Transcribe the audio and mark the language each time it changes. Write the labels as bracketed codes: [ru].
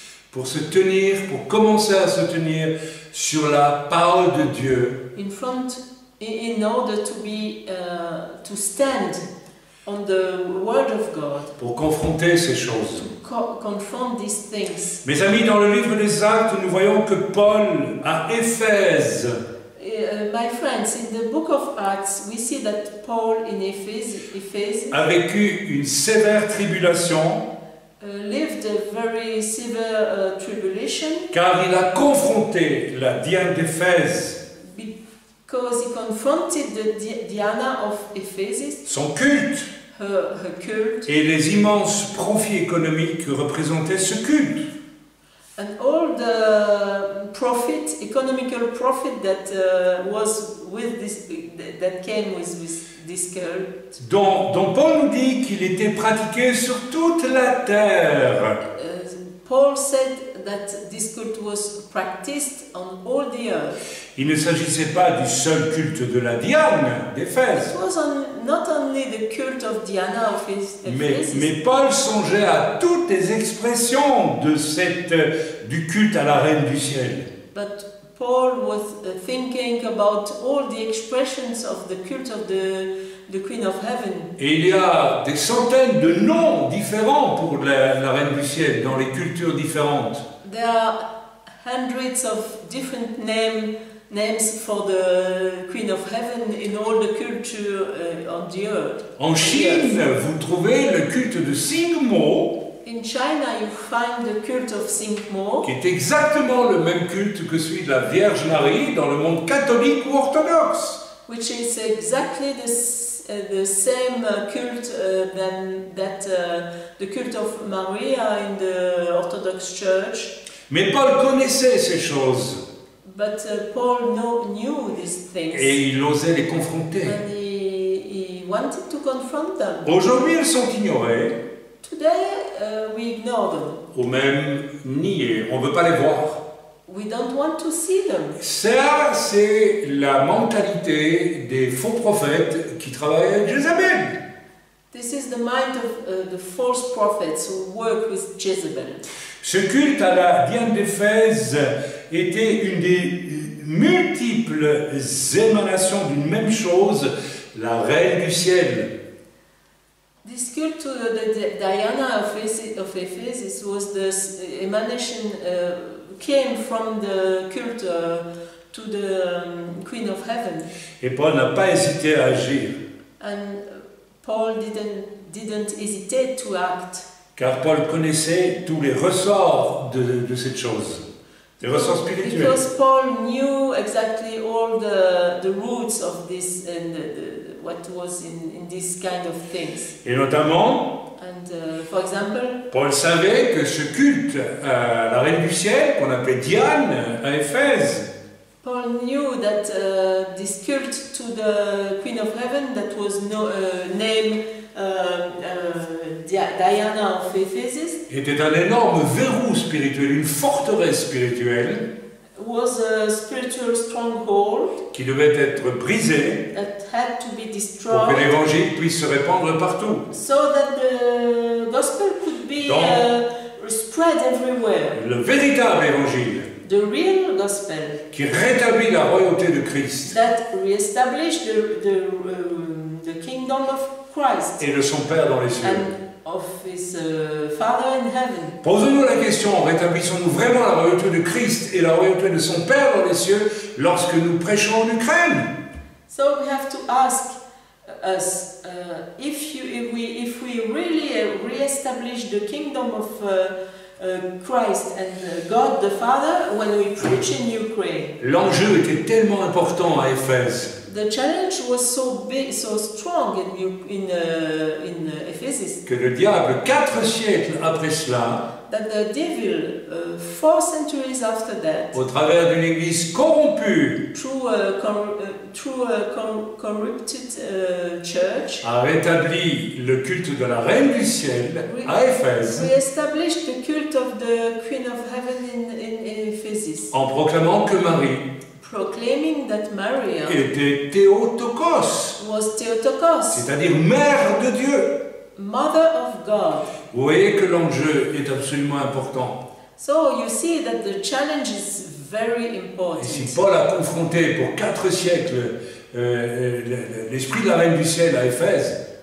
[fr] Pour se tenir, pour commencer à se tenir sur la parole de Dieu. [en] In front, in order to be to stand on the word of God. [fr] Pour confronter ces choses. [en] Confront these things. [fr] Mes amis, dans le livre des Actes, nous voyons que Paul à Éphèse. [en] My friends, in the book of Acts, we see that Paul in Ephesus [fr] a vécu une sévère tribulation. [en] Lived a very severe tribulation. [fr] Car il a confronté la Diane d'Éphèse. [en] Because he confronted the Diana of Ephesus. [fr] Son culte. [en] Her cult. [fr] Et les immenses profits économiques que représentait ce culte. [en] And all the profit, economical profit that was with this, that came with this cult. [fr] Donc Paul nous dit qu'il était pratiqué sur toute la terre. [en] Paul said that this cult was practiced on all the earth. [fr] Il ne s'agissait pas du seul culte de la Diane d'Éphèse. [en] It was not only the cult of Diana of Ephesus. [fr] Mais Paul songeait à toutes les expressions de cette du culte à la Reine du Ciel. [en] But Paul was thinking about all the expressions of the cult of the Queen of Heaven. [fr] Et il y a des centaines de noms différents pour la Reine du Ciel dans les cultures différentes. [en] There are hundreds of different names for the Queen of Heaven in all the cultures on the earth. [fr] En Chine, vous trouvez le culte de Xingmo. [en] In China, you find the cult of Xingmo, [fr] qui est exactement le même culte que celui de la Vierge Marie dans le monde catholique ou orthodoxe. [en] Which is exactly the same cult than that the cult of Maria in the Orthodox Church. [fr] Mais Paul connaissait ces choses. [en] But Paul knew these things. [fr] Et il osait les confronter. [en] And he wanted to confront them. [fr] Aujourd'hui, elles sont ignorées. [en] Today, we ignore them. [fr] Ou même niées. On ne veut pas les voir. [en] We don't want to see them. [fr] Ça, c'est la mentalité des faux prophètes qui travaillent avec Jézabel. [en] This is the mind of the false prophets who work with Jezebel. [fr] Ce culte à la Diane d'Éphèse était une des multiples émanations d'une même chose, la Reine du Ciel. [en] This cult to the Diana of Ephesus was the emanation came from the cult to the Queen of Heaven. [fr] Et Paul n'a pas hésité à agir. [en] And Paul didn't hesitate to act. [fr] Car Paul connaissait tous les ressorts de cette chose, les ressorts spirituels. [en] Because Paul knew exactly all the roots of this and what was in this kind of things. [fr] Et notamment, [en] and, for example, [fr] Paul savait que ce culte à la Reine du Ciel, qu'on appelait Diane à Éphèse, [en] Paul knew that this cult to the Queen of Heaven that was Diana of Ephesus [fr] était un énorme verrou spirituel, une forteresse spirituelle. [en] Was a spiritual stronghold [fr] qui devait être brisé [en] that had to be destroyed [fr] pour que l'évangile puisse se répandre partout. [en] So that the gospel could be spread everywhere. [fr] Le véritable évangile. [en] The real gospel [fr] qui rétablit la royauté de Christ. [en] That reestablished the kingdom of Christ [fr] et de son Père dans les cieux. [en] And of his Father in heaven. [fr] Posons-nous la question, rétablissons-nous vraiment la royauté de Christ et la royauté de son Père dans les cieux lorsque nous prêchons en Ukraine? [en] So we have to ask us if we really reestablish the kingdom of Christ and God the Father when we preach in Ukraine. [fr] L'enjeu était tellement important à Éphèse. [en] The challenge was so big, so strong in Ephesus. [fr] Que le diable, 4 siècles après cela, [en] that the devil, 4 centuries after that, [fr] au travers d'une église corrompue, [en] through a corrupted church, [fr] a rétabli le culte de la reine du ciel à Éphèse. [en] We established the cult of the Queen of Heaven in Ephesus. [fr] En proclamant que Marie. [en] Proclaiming that Maria [fr] était Théotokos, [en] was Théotokos, [fr] c'est-à-dire mère de Dieu. [en] Mother of God. [fr] Vous voyez que l'enjeu est absolument important. [en] So you see that the challenge is very important. [fr] Et si Paul a confronté pour 4 siècles l'esprit de la reine du ciel à Éphèse.